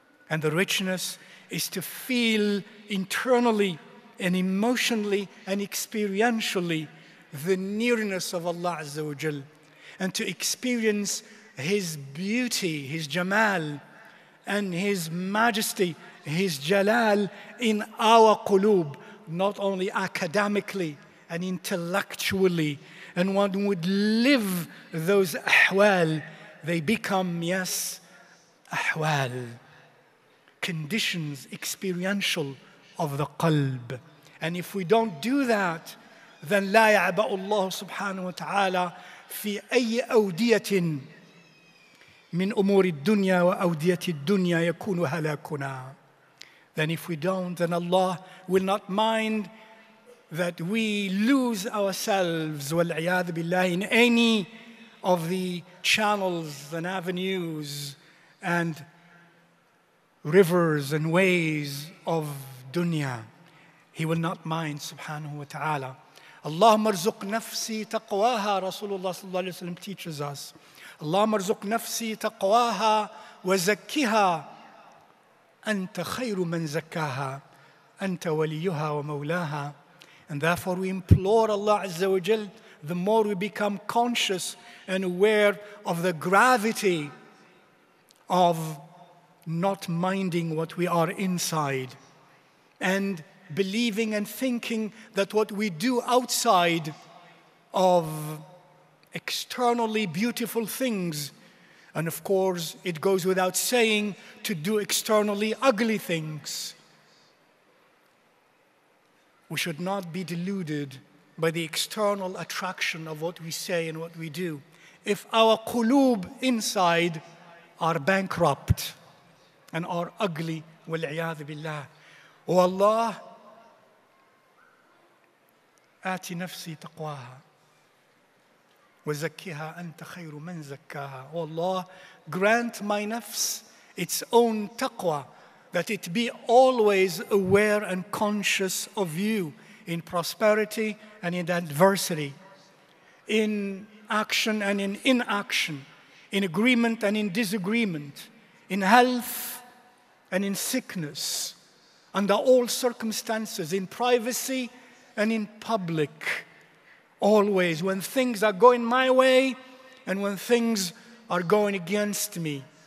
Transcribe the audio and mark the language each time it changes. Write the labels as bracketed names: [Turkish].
[English] And the richness is to feel internally and emotionally and experientially the nearness of Allah Azza wa Jal, and to experience His beauty, His jamal, and His majesty, His jalal in our qulub, not only academically and intellectually. And one would live those ahwal, they become, yes, ahwal, conditions, experiential of the qalb. And if we don't do that, then [Arabic] لا يعبأ الله سبحانه وتعالى في أي أودية من أمور الدنيا وأودية الدنيا يكون هلاكنا. [English] Then if we don't, then Allah will not mind that we lose ourselves, [Arabic] والعياذ بالله, [English] in any of the channels and avenues and rivers and ways of dunya. He will not mind, subhanahu wa ta'ala. [Arabic] اللهم ارزق نفسي تقواها, رسول الله صلى الله عليه وسلم [English] teaches us. [Arabic] اللهم ارزق نفسي تقواها وزكها أنت خير من زكاها أنت وليها ومولاها. [English] And therefore we implore Allah Azza wa Jal, the more we become conscious and aware of the gravity of not minding what we are inside and believing and thinking that what we do outside of externally beautiful things, and of course it goes without saying to do externally ugly things, we should not be deluded by the external attraction of what we say and what we do. If our qulub inside are bankrupt and are ugly, wal-iyadh billah. O Allah, [Arabic] آتي نفسي تقواها وزكيها أنت خير من زكاها. [English] O Allah, grant my nafs its own taqwa, that it be always aware and conscious of you in prosperity and in adversity, in action and in inaction, in agreement and in disagreement, in health and in sickness, under all circumstances, in privacy and in public, always, when things are going my way and when things are going against me.